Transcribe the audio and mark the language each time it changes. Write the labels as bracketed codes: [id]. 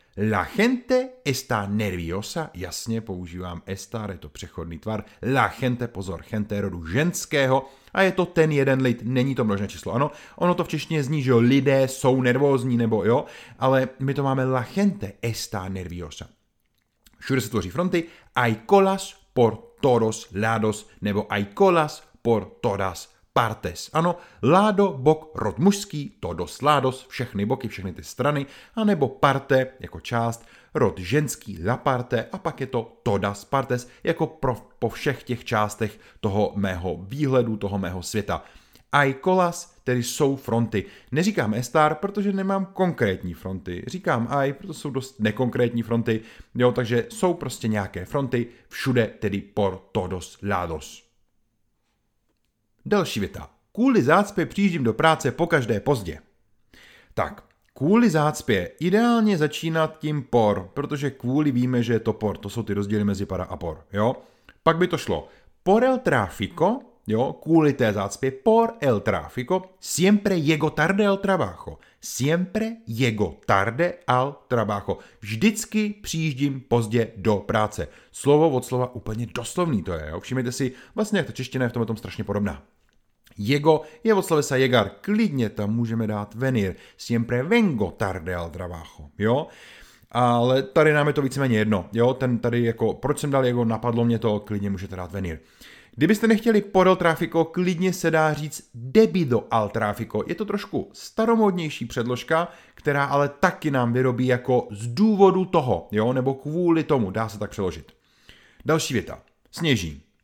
[es] La gente está nerviosa, [cs] jasně, používám estar, je to přechodný tvar. La gente, pozor, gente rodu ženského a je to ten jeden lid, není to množné číslo, ano. Ono to v češtině zní, že jo, lidé jsou nervózní nebo jo, ale my to máme [es] la gente está nerviosa. [cs] Všude se tvoří fronty, [es] hay colas por todos lados, [cs] nebo [es] hay colas por todas partes. [cs] Ano, lado, bok, rod mužský, todos lados, všechny boky, všechny ty strany, anebo parte, jako část, rod ženský, la parte, a pak je to todas partes, jako po všech těch částech toho mého výhledu, toho mého světa. [es] Hay colas, [cs] tedy jsou fronty. Neříkám estar, protože nemám konkrétní fronty. Říkám aj, proto jsou dost nekonkrétní fronty. Jo, takže jsou prostě nějaké fronty, všude tedy [es] por todos lados. [cs] Další věta. Kvůli zácpě přijíždím do práce pokaždé pozdě. Tak, kvůli zácpě ideálně začínat tím por, protože kvůli víme, že je to por. To jsou ty rozdíly mezi para a por. Jo? Pak by to šlo. [es] Por el tráfico. [cs] Jo, kvůli té zácpě, [es] por el tráfico, siempre llego tarde al trabajo. Siempre llego tarde al trabajo. [cs] Vždycky přijíždím pozdě do práce. Slovo od slova úplně doslovný to je. Jo. Všimněte si, vlastně jak ta čeština je v tomhle tom strašně podobná. Llego je od slovesa llegar. Klidně tam můžeme dát venir. [es] Siempre vengo tarde al trabajo. [cs] Jo? Ale tady nám je to víceméně jedno. Jo? Ten tady jako, proč jsem dal llego, napadlo mě to, klidně můžete dát venir. Kdybyste nechtěli por el tráfico, klidně se dá říct [es] debido al tráfico. [cs] Je to trošku staromodnější předložka, která ale taky nám vyrobí jako z důvodu toho, jo, nebo kvůli tomu, dá se tak přeložit. Další věta. Sněží.